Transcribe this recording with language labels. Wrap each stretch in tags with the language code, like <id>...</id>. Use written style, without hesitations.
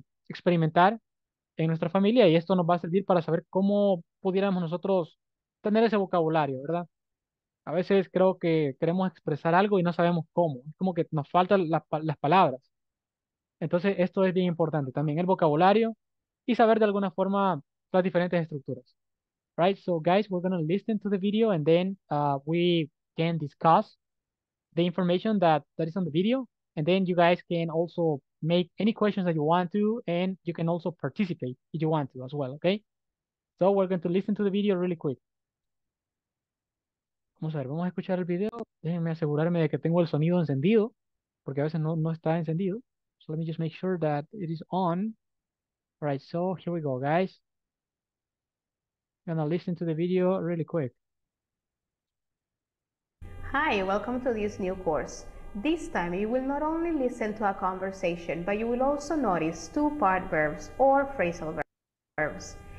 <es>experimentar en nuestra familia y esto nos va a servir para saber cómo pudiéramos nosotros tener ese vocabulario, ¿verdad? A veces creo que queremos expresar algo y no sabemos cómo. Es como que nos faltan las palabras. Entonces, esto es bien importante. También el vocabulario y saber de alguna forma las diferentes estructuras.</es> <en>Right? So, guys, we're going to listen to the video and then we can discuss the information that is on the video. And then you guys can also make any questions that you want to, and you can also participate if you want to as well, okay? So we're going to listen to the video really quick.</en> <es>Vamos a ver, vamos a escuchar el video. Déjenme asegurarme de que tengo el sonido encendido, porque a veces no está encendido.</es> <en>So let me just make sure that it is on. All right, so here we go, guys. I'm going to listen to the video really quick. Hi, welcome to this new course. This time you will not only listen to a conversation, but you will also notice two part verbs or phrasal verbs.</en>